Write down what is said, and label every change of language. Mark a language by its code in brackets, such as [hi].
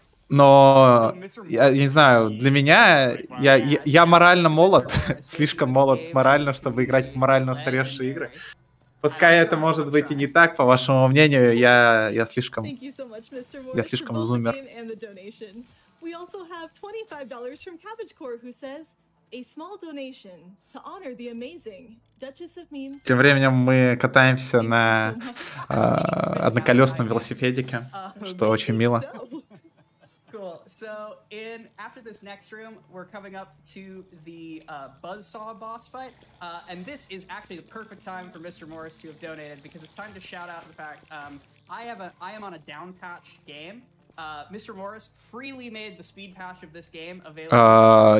[ru] Но, я не знаю, для меня, я морально молод, слишком молод морально, чтобы играть в морально устаревшие игры. Пускай это может быть и не так, по вашему мнению, я слишком зумер. [en] We also have $25 from Cabbage Core, who says, a small donation to honor the amazing Duchess of Memes. [ru] Тем временем мы катаемся на одноколесном велосипедике, что очень мило. [en] So in after this next room, we're coming up to the buzzsaw boss fight, and this is actually the perfect time for Mr. Morris to have donated because it's time to shout out the fact I am on a down patched game. Mr. Morris freely made the speed patch of this game available.